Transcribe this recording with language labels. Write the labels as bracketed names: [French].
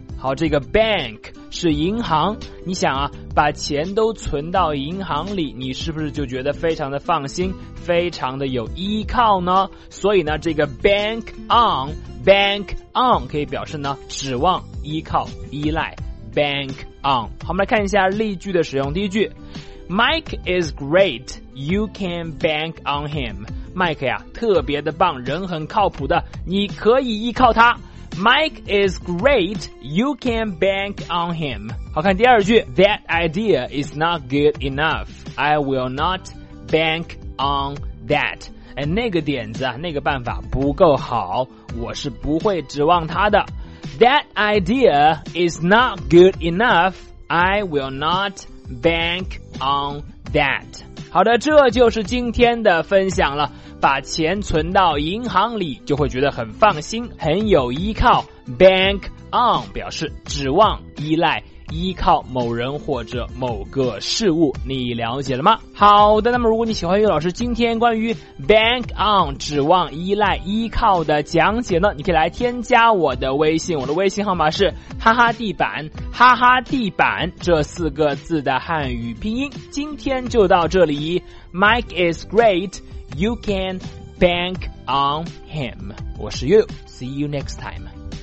[Chinese] 好，这个 bank 是银行，你想啊，把钱都存到银行里，你是不是就觉得非常的放心，非常的有依靠呢？所以呢，这个 bank on bank on 可以表示呢指望、依靠、依赖。 [English] Bank on。 [Chinese] 好，我们来看一下例句的使用。第一句， [English] Mike is great, you can bank on him。 [Chinese] Mike 呀特别的棒，人很靠谱的，你可以依靠他。 [English] Mike is great, you can bank on him。 [Chinese] 好，看第二句， [English] That idea is not good enough, I will not bank on that。 [Chinese] 那个点子啊，那个办法不够好，我是不会指望他的。 [English] That idea is not good enough, I will not bank on that。 [Chinese] 好的，这就是今天的分享了，把钱存到银行里就会觉得很放心，很有依靠。 Bank on 表示指望、依赖、依靠某人或者某个事物，你了解了吗？好的，那么如果你喜欢悠悠老师今天关于 bank on 指望、依赖、依靠的讲解呢，你可以来添加我的微信，我的微信号码是哈哈地板，哈哈地板这四个字的汉语拼音。今天就到这里， [English] Mike is great, you can bank on him。 [Chinese] 我是悠悠， [English] See you next time。